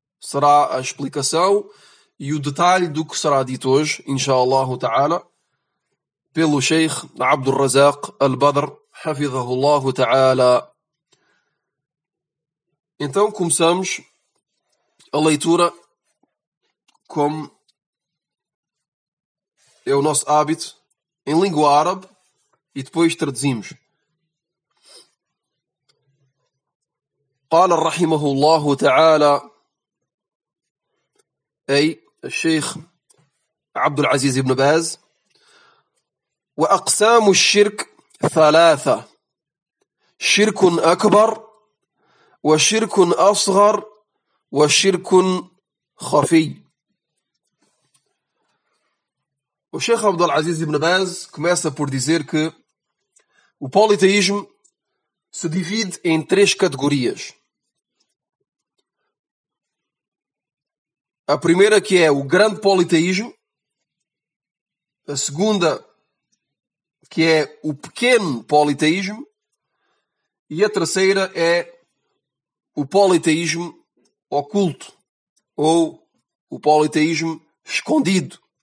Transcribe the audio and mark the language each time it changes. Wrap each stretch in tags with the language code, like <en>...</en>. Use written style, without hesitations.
<pt>Será a explicação e o detalhe do que será dito hoje, inshallah ta'ala, pelo Sheikh Abdul Razak al-Badr, hafizahullah ta'ala. Então começamos a leitura como é o nosso hábito, em língua árabe, e depois traduzimos.</pt> <ar>قال رحمه الله تعالى أي الشيخ عبد العزيز بن باز وأقسام الشرك ثلاثة شرك أكبر وشرك أصغر وشرك خفي</ar> <pt>الشيخ عبد العزيز بن باز começa por dizer que o politeísmo se divide em três categorias. A primeira, que é o grande politeísmo. A segunda, que é o pequeno politeísmo. E a terceira é o politeísmo oculto, ou o politeísmo escondido.</pt>